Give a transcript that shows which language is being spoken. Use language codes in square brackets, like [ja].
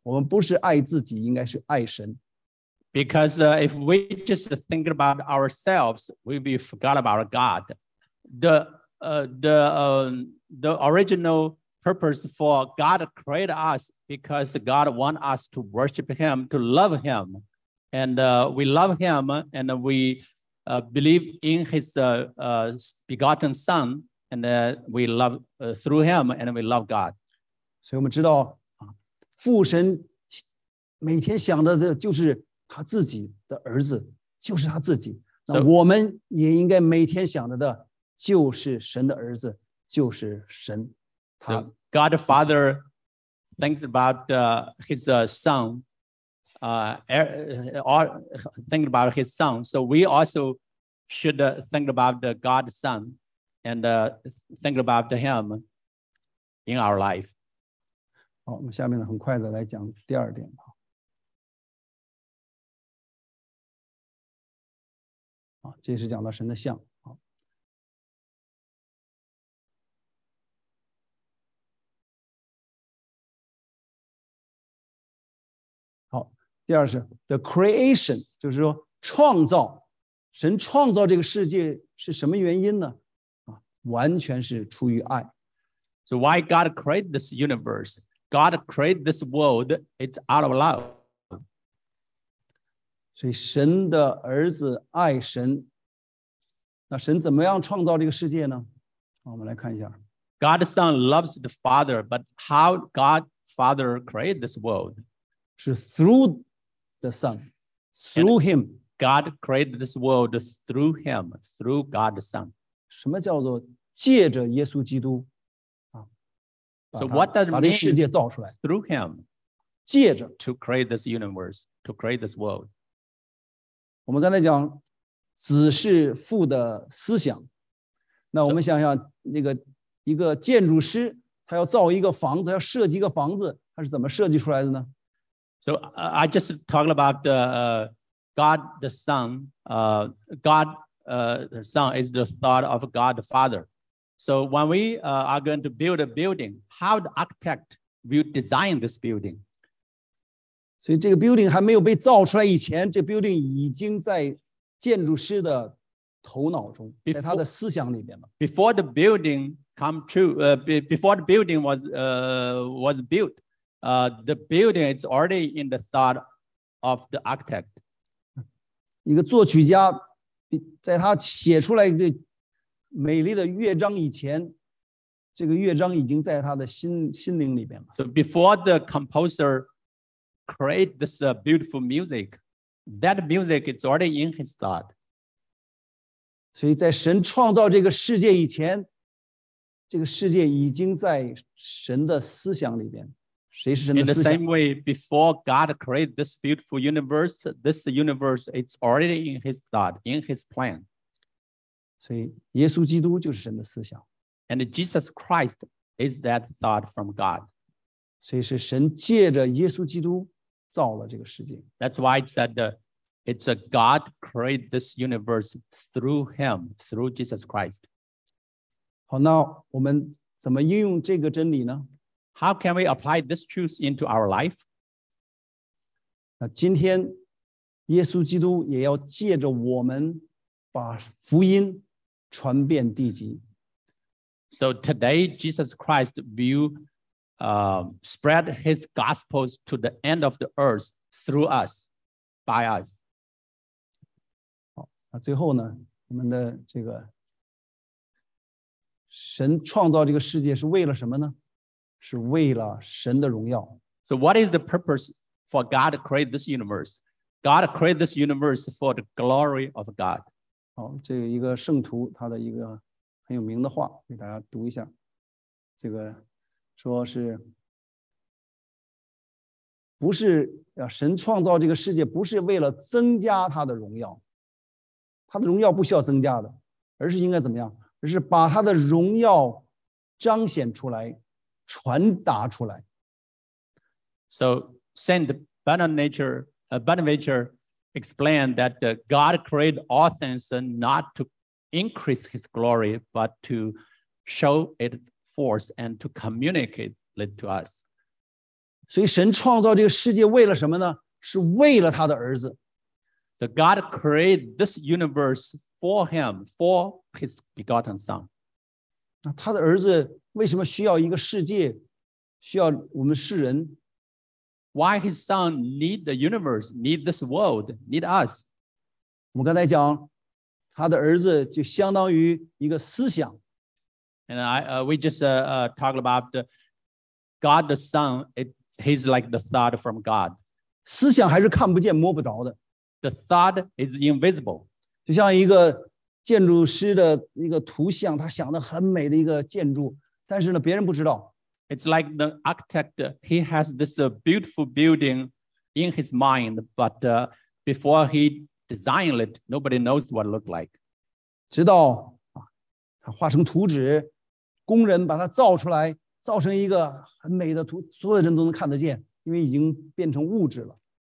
[zh] 我们不是爱自己，应该是爱神。 [en] Because if we just think about ourselves, we'll be forgot about God. The original purpose for God create us because God want us to worship Him, to love Him, and we love Him, and we believe in His begotten Son. And we love through him, and we love God. So we know, Father, every day thinks about his own son, [zh] 就是他自己。那我们也应该每天想着的就是神的儿子，就是神。他 [en] God the Father thinks about his son. All think about his son. So we also should think about God's son and think about him in our life. [zh] 好，我们下面呢，很快的来讲第二点吧。这是讲到神的像。好，第二是 [en] the creation， [zh] 就是说创造，神创造这个世界是什么原因呢？完全是出于爱。 [en] So why God created this universe? God created this world. It's out of love. [zh] 所以神的儿子爱神。那神怎么样创造这个世界呢？我们来看一下。 [en] God's son loves the father, but how God father created this world? [zh] 是 [en] through the son, through him. God created this world through him, through God's son. [zh] 什么叫做借着耶稣基督？ [en] So what does it mean? [zh] 把这个世界造出来。 [en] Through him. [zh] 借着。 [en] To create this universe, to create this world. [zh] 我们刚才讲子是父的思想，那我们想想，那个一个建筑师，他要造一个房子，要设计一个房子，他是怎么设计出来的呢 [en] ？So I just talked about God the Son. God the Son is the thought of God the Father. So when we are going to build a building, how the architect will design this building? [zh] 所以这个 building 还没有被造出来以前，这 building 已经在建筑师的头脑中，在他的思想里面了。 [en] Before the building come true, before the building was built, the building is already in the thought of the architect. [zh] 一个作曲家，在他写出来这美丽的乐章以前，这个乐章已经在他的心灵里面了。 [en] So before the composer create this beautiful music. That music is already in his thought. [zh] 所以在神创造这个世界以前，这个世界已经在神的思想里边。谁是神的思想？ [en] In the same way, before God created this beautiful universe, this universe is already in his thought, in his plan. [zh] 所以耶稣基督就是神的思想。 [en] And Jesus Christ is that thought from God. [zh] 所以是神借着耶稣基督造了这个世界。 [en] That's why it said it's a God create this universe through him, through Jesus Christ. [zh] 好，那我们怎么应用这个真理呢？ [en] How can we apply this truth into our life? [zh] 那今天耶稣基督也要借着我们把福音传遍地极。 [en] So today Jesus Christ will spread his gospels to the end of the earth through us, by us. [zh] 好，那最后呢，我们的这个神创造这个世界是为了什么呢？是为了神的荣耀。 [en] So what is the purpose for God to create this universe? God created this universe for the glory of God. [zh] 好，这个一个圣徒他的一个很有名的话，给大家读一下，这个。说是不是神创造这个世界不是为了增加他的荣耀，他的荣耀不需要增加的，而是应该怎么样，而是把他的荣耀彰显出来，传达出来。 [en] So Saint Bonaventure explained that God created all things not to increase his glory but to show itAnd to communicate it to us. [zh] 所以神创造这个世界为了什么呢？是为了他的儿子。 [en] So God created this universe for him, for his begotten son. [zh] 那他的儿子为什么需要一个世界，需要我们世人？ [en] Why his son need the universe, need this world, need us? [zh] 我们刚才讲，他的儿子就相当于一个思想。 [en] And talked about God the Son. He's like the thought from God. [zh] 思想还是看不见摸不着的。 [en] The thought is invisible. [zh] 就像一个建筑师的一个图像，他想的很美的一个建筑，但是呢，别人不知道。 [en] It's like the architect, he has this beautiful building in his mind, but before he designed it, nobody knows what it looked like. [zh] 直到他画成图纸，工人把它造出来，造成一个很美的图，所有人都能看得见，因为已经变成物质了。